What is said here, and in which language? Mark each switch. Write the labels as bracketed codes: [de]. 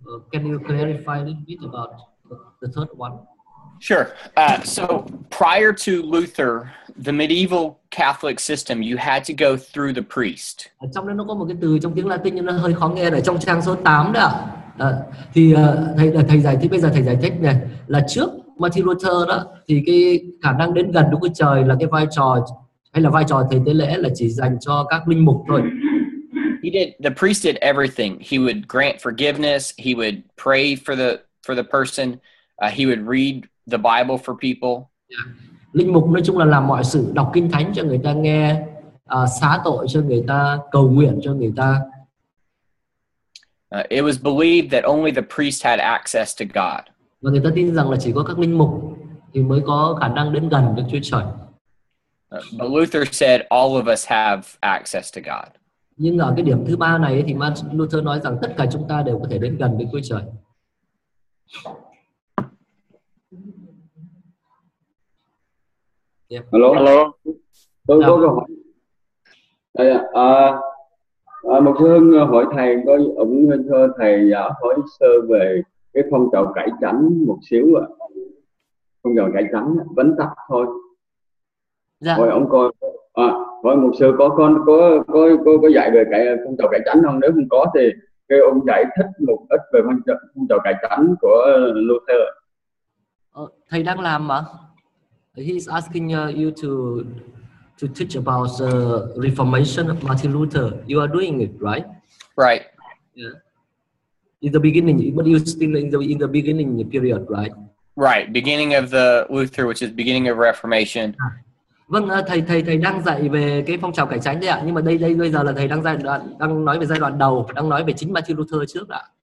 [en] Can you clarify a little bit about the third one? Sure. So prior to Luther, the medieval Catholic system, you had to go through the priest. [vi] Ở trong đây nó có một cái từ trong tiếng Latin nhưng nó hơi khó nghe này, trong trang số 8 đó. Thì thầy giải thích, bây giờ thầy giải thích này, là trước Martin Luther đó thì cái khả năng đến gần Đức Chúa Trời là cái vai trò hay là vai trò thầy tế lễ là chỉ dành cho các linh mục thôi. [en] He did, the priest did everything. He would grant forgiveness, he would pray for the person, he would read the Bible for people. Yeah. [vi] Linh mục nói chung là làm mọi sự, đọc kinh thánh cho người ta nghe, xá tội cho người ta, cầu nguyện cho người ta. [en] It was believed that only the priest had access to God. [vi] Và người ta tin rằng là chỉ có các linh mục thì mới có khả năng đến gần Đức Chúa Trời. [en] But Luther said all of us have access to God. [vi] Nhưng ở cái điểm thứ ba này thì Martin Luther nói rằng tất cả chúng ta đều có thể đến gần Đức Chúa Trời. [en] Yeah. Hello. Hello. [vi] Tôi có câu hỏi. Đây ạ. Mục sư Hưng hỏi thầy, có ủng thơ thầy hỏi sơ về cái phong trào cải chánh một xíu ạ. Phong trào cải chánh vấn tắc thôi. Dạ. Hỏi ông coi, hỏi mục sư có dạy về cái phong trào cải chánh không? Nếu không có thì cái ông giải thích một ít về phong trào cải chánh của Luther. Thầy đang làm mà. [en] He's asking you to teach about the Reformation of Martin Luther. You are doing it, right? Right. Yeah. In the beginning, but you're still in the beginning period, right? Right. Beginning of the Luther, which is beginning of Reformation. [vi] Vâng, thầy đang dạy về cái phong trào cải chánh đấy ạ. Nhưng mà đây bây giờ là thầy đang giai đoạn đang nói về giai đoạn đầu, đang nói về chính Martin Luther trước ạ.